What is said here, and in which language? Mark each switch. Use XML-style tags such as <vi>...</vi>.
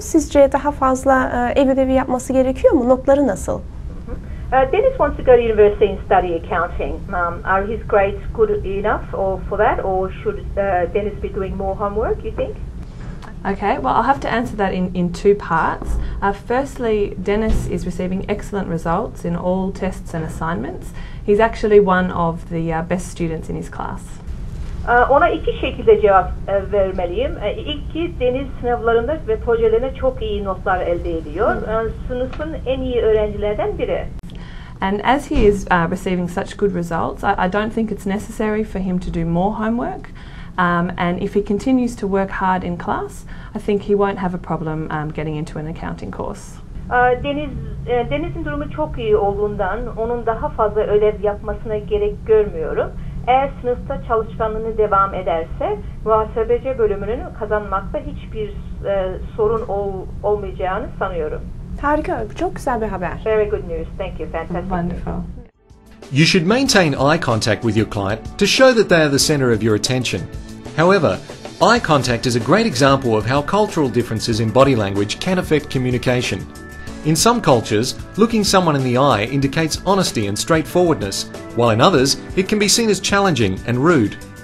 <tr>Sizce daha fazla ev ödevi yapması gerekiyor mu? Notları nasıl?</tr> <en>Dennis wants to go to university and study accounting. Are his grades good enough for that, or should Dennis be doing more homework, you think? Okay, well, I'll have to answer that in two parts. Firstly, Dennis is receiving excellent results in all tests and assignments. He's actually one of the best students in his class.</en> <tr>Ona iki şekilde cevap vermeliyim. İlki, Deniz sınavlarında ve projelerinde çok iyi notlar elde ediyor. Sınıfın en iyi öğrencilerden biri.</tr> <en>And as he is receiving such good results, I don't think it's necessary for him to do more homework. And if he continues to work hard in class, I think he won't have a problem getting into an accounting course.</en> <tr>Deniz'in durumu çok iyi olduğundan, onun daha fazla ödev yapmasına gerek görmüyorum. Eğer sınıfta çalışkanlığını devam ederse, muhasebeci bölümünü kazanmakta hiçbir sorun olmayacağını sanıyorum. Harika, çok güzel bir haber.</tr> <en>Very good news, thank you, fantastic. Wonderful. You should maintain eye contact with your client to show that they are the center of your attention. However, eye contact is a great example of how cultural differences in body language can affect communication. In some cultures, looking someone in the eye indicates honesty and straightforwardness, while in others, it can be seen as challenging and rude.</en>